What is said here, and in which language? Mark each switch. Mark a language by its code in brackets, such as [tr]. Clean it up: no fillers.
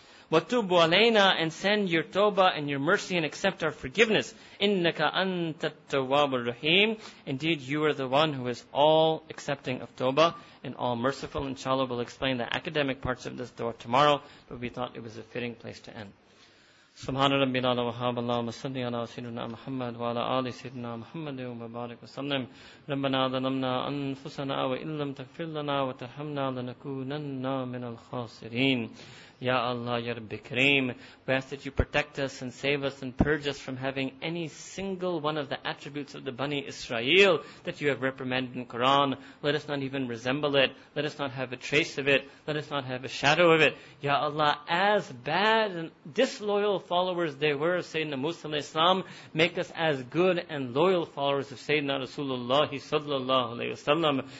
[ar] وَتُوبُ عَلَيْنَا, [en] and send your tawbah and your mercy and accept our forgiveness. [ar] إِنَّكَ أَنْتَ التَّوَّابُ الرَّحِيمُ, [en] indeed you are the one who is all accepting of tawbah and all merciful. Inshallah, we'll explain the academic parts of this dua tomorrow, but we thought it was a fitting place to end. [ar] سبحان ربي العظيم وحب الله مصلي على سيدنا محمد وعلى آل سيدنا محمد وبارك وسلم ربنا ظلمنا أنفسنا وإن لم تغفر لنا وترحمنا لنكونن من الخاسرين. [en] Ya Allah, Ya Rabbi Kareem, we ask that you protect us and save us and purge us from having any single one of the attributes of the Bani Israel that you have reprimanded in Quran. Let us not even resemble it. Let us not have a trace of it. Let us not have a shadow of it. Ya Allah, as bad and disloyal followers they were of Sayyidina Musa alayhi salam, make us as good and loyal followers of Sayyidina Rasulullah sallallahu alayhi wa sallam.